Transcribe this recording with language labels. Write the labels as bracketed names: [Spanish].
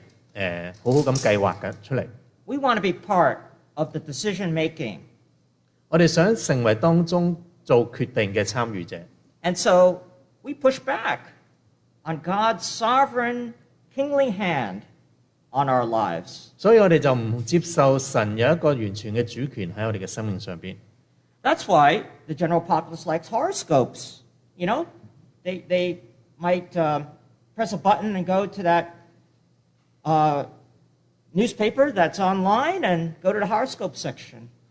[Chinese] 將我們,我們不再說到有些人是,有人是將我們好好地計劃出來。 [English] We want to be part of the decision making. [Chinese] 我們想成為當中做決定的參與者。 [English] And so we push back on God's sovereign kingly hand on our lives. [Chinese] 所以我們就不接受神有一個完全的主權在我們的生命上面。 [English] That's why the general populace likes horoscopes. You know, they might press a button and go to that newspaper that's online and go to the horoscope section.